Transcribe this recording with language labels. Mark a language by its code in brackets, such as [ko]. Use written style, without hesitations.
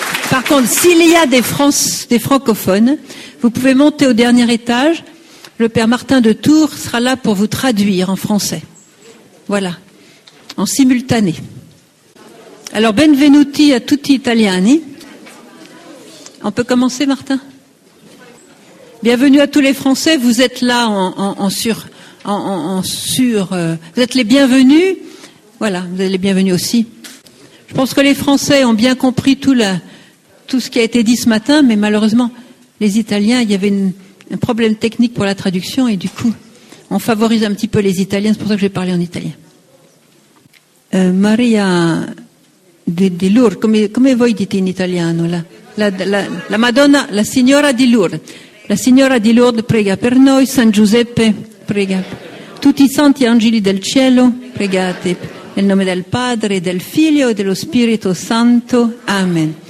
[fr] Par contre, s'il y a des francophones, vous pouvez monter au dernier étage. Le père Martin de Tours sera là pour vous traduire en français. Voilà, en simultané. [it] Alors, benvenuti a tutti italiani. [fr] On peut commencer, Martin? Bienvenue à tous les Français. Vous êtes là vous êtes les bienvenus. Voilà, vous êtes les bienvenus aussi. Je pense que les Français ont bien compris tout ce qui a été dit ce matin, mais malheureusement, les Italiens, il y avait un problème technique pour la traduction et du coup, on favorise un petit peu les Italiens. C'est pour ça que j'ai parlé en italien. [it] Maria di Lourdes, come voi dite in italiano? La Madonna, la Signora di Lourdes. La Signora di Lourdes prega per noi, San Giuseppe prega. Tutti i santi angeli del cielo pregate nel nome del Padre, del Figlio e dello Spirito Santo. Amen.